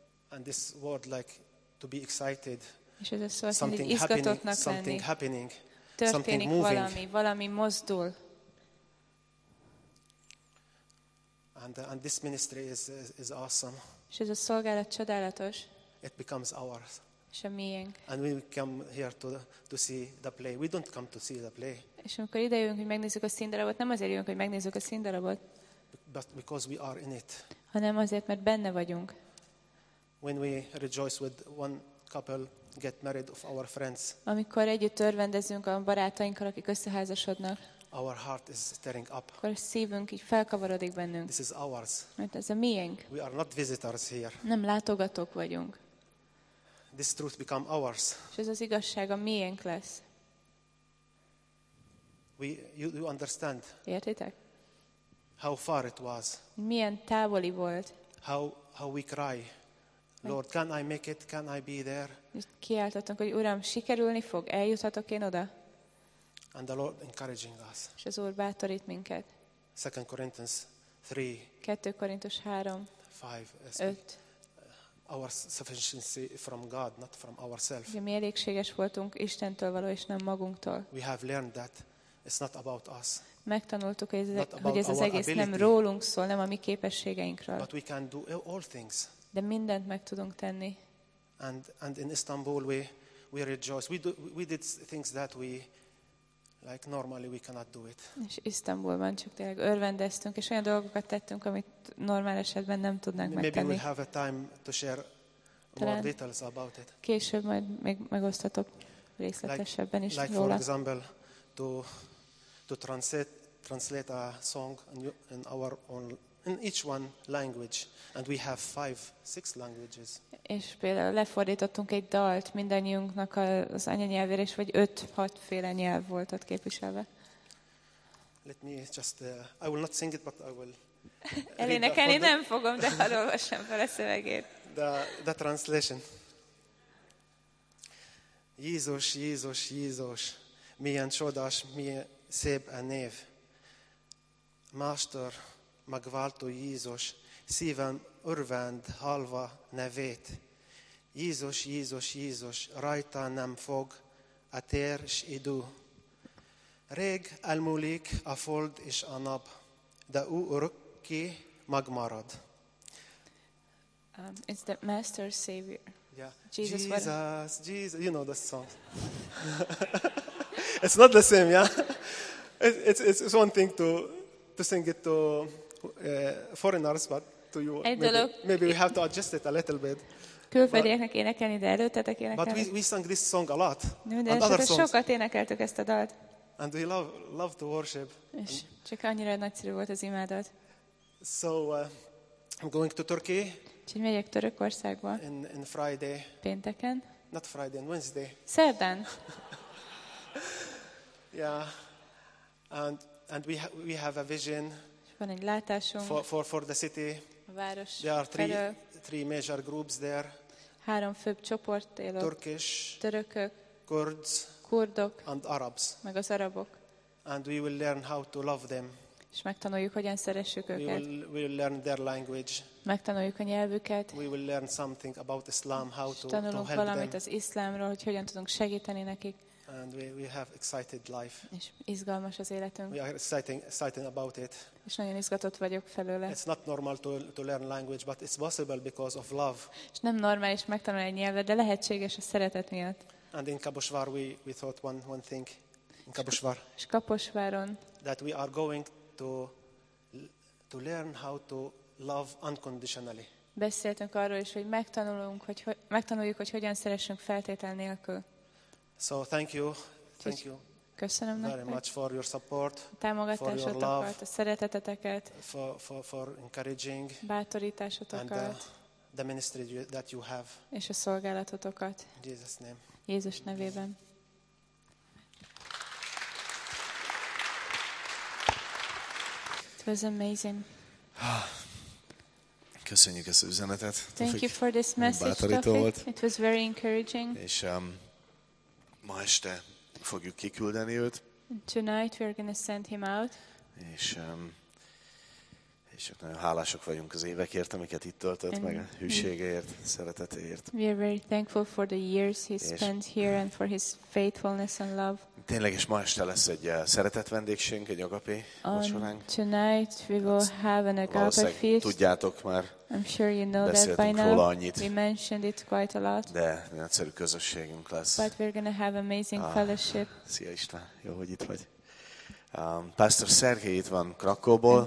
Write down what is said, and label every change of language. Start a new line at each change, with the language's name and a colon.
English: And this word like to be excited.
Hungarian: És ez a szó, hogy izgatottnak lenni.
English: Something happening.
Hungarian: Történik valami mozdul.
English: And this ministry is awesome.
Hungarian: És ez a szolgálat csodálatos.
English: It becomes ours.
Hungarian: És a miénk.
English: And we come here to see the play. We don't come to see the play.
Hungarian: És amikor ide jövünk, hogy megnézzük a színdarabot, nem azért jövünk, hogy megnézzük a színdarabot.
English: But because we are in it.
Hungarian: Hanem azért, mert benne vagyunk.
English: When we rejoice with one couple get married of our friends.
Hungarian: Amikor együtt örvendezünk a barátainkkal, akik összeházasodnak.
English: Our heart is stirring up.
Hungarian: Akkor a szívünk így felkavarodik bennünk.
English: This is ours.
Hungarian: Mert ez a miénk.
English: We are not visitors here.
Hungarian: Nem látogatók vagyunk.
English: this truth become ours.
Hungarian: És ez az igazság a miénk lesz.
English: You understand?
Hungarian: Értitek?
English: How far it was?
Hungarian: Milyen távoli volt?
English: How we cry, Lord, can I make it? Can I be there?
Hungarian: És kiáltottunk, hogy Uram, sikerülni fog, eljuthatok én oda?
English: And the Lord encouraging us.
Hungarian: És az Úr bátorít minket.
English: 2 Corinthians 3.
Hungarian: 2 Korintus 3.
English: 5. Our sufficiency from God, not from ourselves.
Hungarian: Mi elégséges voltunk Istentől való, és nem magunktól.
English: We have learned that it's not about us.
Hungarian: Megtanultuk, hogy ez az egész nem rólunk szól, nem a mi képességeinkről.
English: But we can do all things.
Hungarian: De mindent meg tudunk tenni.
English: And in Istanbul we rejoice. We did things that we like normally we cannot do it.
Hungarian: És Istanbulban csak tényleg örvendeztünk, és olyan dolgokat tettünk, amit normál esetben nem tudnánk
English: maybe
Hungarian: megtenni.
English: Maybe we'll have a time to share
Hungarian: talán
English: more details about it.
Hungarian: Később majd még megosztatok részletesebben is
English: like
Hungarian: róla.
English: Like for example, to translate a song in our own, in each one language, and we have 5-6 languages.
Hungarian: És például lefordítottunk egy dalt mindannyiunknak az anyanyelvére, és vagy 5-6 féle nyelv volt ott képviselve.
English: Let me just, I will not sing it, but I will
Hungarian: elénekelni nem fogom, de hadd olvassam fel a szövegét.
English: The translation.
Hungarian: Jézus, Jézus, Jézus, milyen csodás, milyen szép a név. Master, megváltó Jézus, szíven örvend halva nevét. Jézus, Jézus, Jézus, rajta nem fog a tér s idő. Rég elmúlik a fold és a nap, de ő örökké megmarad.
English: It's the Master Savior. Yeah. Jesus, you know the song. It's not the same, yeah? It's one thing to sing it to foreigners, but to you, maybe we have to adjust it a little bit.
Hungarian: Külföldieknek énekelni, de előttetek énekelni.
English: But we sang this song a lot.
Hungarian: De esetleg sokat énekeltük ezt a dalt.
English: And we love to worship.
Hungarian: És csak annyira nagyszerű volt az imádat.
English: So, I'm going to Turkey.
Hungarian: Úgyhogy megyek Törökországba.
English: In Friday.
Hungarian: Pénteken.
English: Not Friday, on Wednesday.
Hungarian: Szerdán.
English: Yeah. And we have a vision.
Hungarian: Van egy látásunk
English: for the city.
Hungarian: A város.
English: There are three major groups there.
Hungarian: Három főbb csoport él ott.
English: Turkish.
Hungarian: Törökök.
English: Kurds.
Hungarian: Kurdok.
English: And Arabs.
Hungarian: Meg az arabok.
English: And we will learn how to love them.
Hungarian: És megtanuljuk, hogyan szeressük őket.
English: We will learn their language.
Hungarian: Megtanuljuk a nyelvüket.
English: We will learn something about Islam, how to help them.
Hungarian: Tanulunk valamit az iszlámról, hogy hogyan tudunk segíteni nekik.
English: And we have excited life.
Hungarian: És izgalmas az életünk.
English: We are excited about it.
Hungarian: És nagyon izgatott vagyok felőle.
English: It's not normal to learn language, but it's possible because of love.
Hungarian: És nem normális megtanulni egy nyelvet, de lehetséges a szeretet miatt.
English: And in Kaposvár we thought one thing. In Kaposvár.
Hungarian: És Kaposváron.
English: That we are going to learn how to love unconditionally.
Hungarian: Beszéltünk arról is, hogy megtanuljuk, hogy hogyan szeressünk feltétel nélkül.
English: So thank you.
Hungarian: Köszönöm
English: very
Hungarian: nektek.
English: Much for your support, for your love,
Hungarian: a szereteteteket,
English: for encouraging,
Hungarian: bátorításotokat,
English: and the ministry that you have,
Hungarian: és a szolgálatotokat.
English: Jesus name.
Hungarian: Jézus nevében.
English: It was amazing.
Hungarian: Köszönjük ezt az üzenetet.
English: Thank you for this message. It was very encouraging.
Hungarian: És ma este fogjuk kiküldeni őt.
English: Tonight we are going to send him out.
Hungarian: És nagyon hálások vagyunk az évekért, amiket itt töltött, meg a hűségeért, szeretetéért.
English: We are very thankful for the years he spent here and for his faithfulness and love.
Hungarian: Tényleg is ma este lesz egy szeretett vendégségünk, egy agapé vacsoránk.
English: Tonight we will have an agape feast.
Hungarian: Tudjátok már.
English: I'm sure you know that by now. We mentioned it quite a lot.
Hungarian: De nagyszerű közösségünk lesz.
English: But we're going to have amazing fellowship.
Hungarian: Szia István, jó, hogy itt vagy. Pastor Sergei itt van Krakóból.